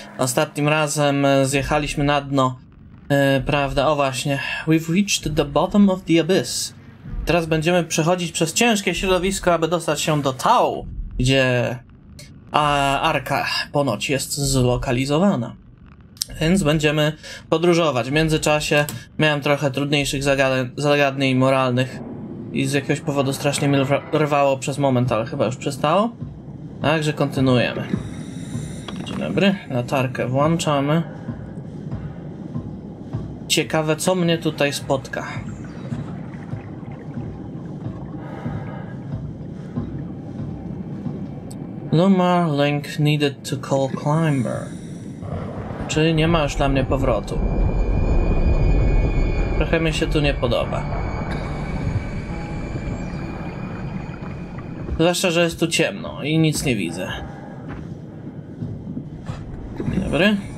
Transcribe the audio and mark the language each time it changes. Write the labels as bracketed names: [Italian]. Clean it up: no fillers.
[Polish] Ostatnim razem zjechaliśmy na dno, prawda, o właśnie. [English] We've reached the bottom of the abyss. [Polish] Teraz będziemy przechodzić przez ciężkie środowisko, aby dostać się do Tau, gdzie Arka ponoć jest zlokalizowana. Więc będziemy podróżować. W międzyczasie miałem trochę trudniejszych zagadnień moralnych. I z jakiegoś powodu strasznie mi rwało przez moment, ale chyba już przestało. Także kontynuujemy. Dzień dobry, latarkę włączamy. Ciekawe, co mnie tutaj spotka. [English] Luma Link needed to call Climber. [Polish] Czyli nie ma już dla mnie powrotu. Trochę mi się tu nie podoba. Zwłaszcza, że jest tu ciemno i nic nie widzę. Dobry.